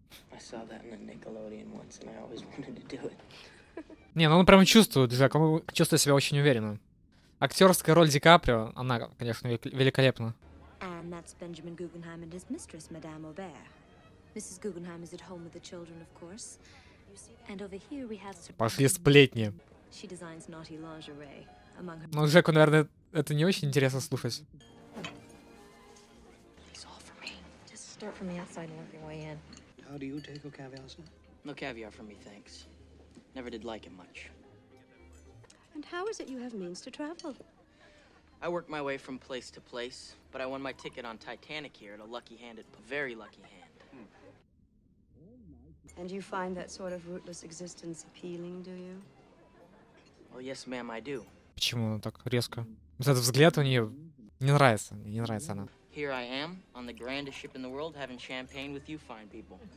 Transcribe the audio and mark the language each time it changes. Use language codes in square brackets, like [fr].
[en] I saw that in the Nickelodeon once, and I always wanted to do it. [ru] Не, ну он прям чувствует, Джек, он чувствует себя очень уверенно. Актерская роль Ди Каприо, она, конечно, великолепна. [en] And that's Benjamin Guggenheim and his mistress, Madame Aubert. Mrs. Guggenheim is at home with the children, of course. And over here we have... [ru] Пошли сплетни. [en] She designs naughty lingerie among her... [ru] Ну, Джеку, наверное, это не очень интересно слушать. [en] It's all for me. Just start from the outside and work your way in. How do you take a caviar, sir? No caviar for me, thanks. Never did like it much. And how is it you have means to travel? I work my way from place to place, but I won my ticket on Titanic here at a lucky hand, a very lucky hand. And you find that sort of rootless existence appealing, do you? Well, yes, ma'am, I do. [ru] Почему она так резко? Вот этот взгляд у нее не нравится, не нравится она. [en] Here I am, on the grandest ship in the world, having champagne with you fine people.